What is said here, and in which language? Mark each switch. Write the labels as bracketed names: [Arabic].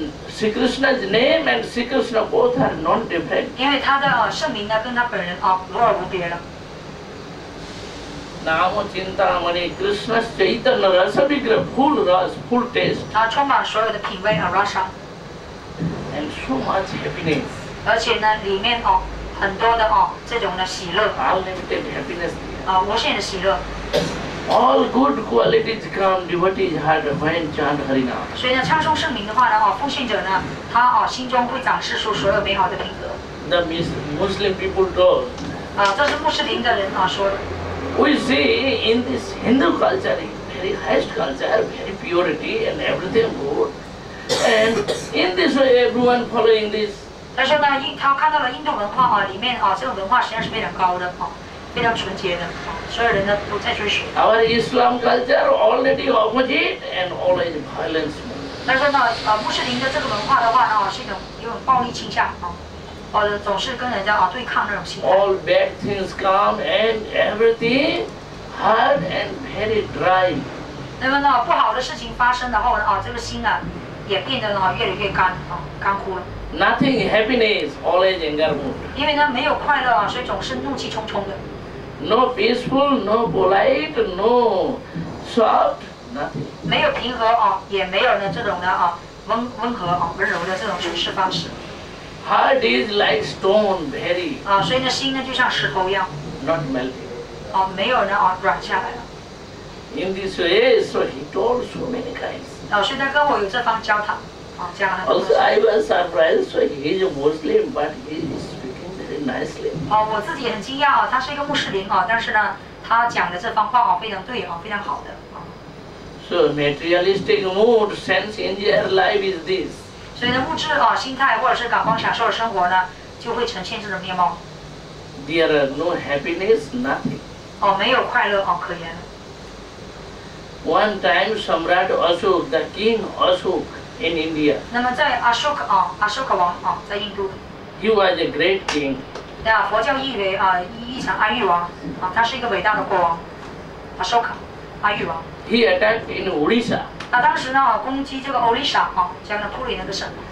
[English] Sri Krishna's name and Sri Krishna both are non-different. [Chinese] 因为他的圣名呢跟他本人无二无别了。 [English] Namo Chintamani Krishna's Chaitanya Rasa Vigraha full ras, full taste. [Chinese] 他充满所有的品味Rasa。 [English] And so much happiness. [Chinese] 而且呢，里面很多的这种的喜乐。 [English] Unlimited happiness. [Chinese] 无限的喜乐。 [English] All good qualities come devotee's heart when chant Harinam. [Chinese] 所以呢，唱诵圣名的话呢，奉献者呢，他心中会展示出所有美好的品格。 [English] The Muslim people told. [Chinese] 这是穆斯林的人说的。 [English] We see in this Hindu culture, very highest culture, very purity and everything good. And in this way, everyone following this. [Chinese] 他说呢，他看到了印度文化里面这种文化实际上是非常高的非常纯洁的所有人呢都在追寻。 [English] Our Islam culture already opposite and always violence. [Chinese] 他说呢，穆斯林的这个文化的话是一种有种暴力倾向总是跟人家对抗那种心态。 [English] All bad things come and everything hard and very dry. [Chinese] 那么呢，不好的事情发生的话这个心也变得越来越干枯了。 [English] Nothing happiness, always anger mood. [Chinese] 因为呢没有快乐所以总是怒气冲冲的。 [English] No peaceful, no polite, no soft, nothing. [Chinese] 没有平和也没有呢这种的温和温柔的这种处事方式。 [English] Heart is like stone, very. [Chinese] 所以呢心呢就像石头一样。 [English] not melted. [Chinese] 哦，没有呢，哦，软下来了。 [English] In this way, so he told so many guys. [Chinese] 老师，他跟我有这方教他，哦，教了。 [English] Also, I was surprised. So he is a Muslim, but he is speaking very nicely. [Chinese] 哦，我自己很惊讶哦，他是一个穆斯林哦，但是呢，他讲的这方话哦，非常对哦，非常好的。 [English] So materialistic mood, sense enjoy life is this. [Chinese] 所以呢，物质哦，心态或者是感官享受的生活呢，就会呈现这种面貌。 [English] There are no happiness, nothing. [Chinese] 哦，没有快乐哦，可言。 [English] One time, Samrat Ashok, the king Ashok in India. [Chinese] 那么在阿修克啊，阿修克王啊，在印度。 [English] He was a great king. [Chinese] 那佛教译为啊，译成阿育王啊，他是一个伟大的国王，阿修克，阿育王。 [English] He attacked in Odisha. [Chinese] 那当时呢，攻击这个 Odisha 啊，将那库里那个省。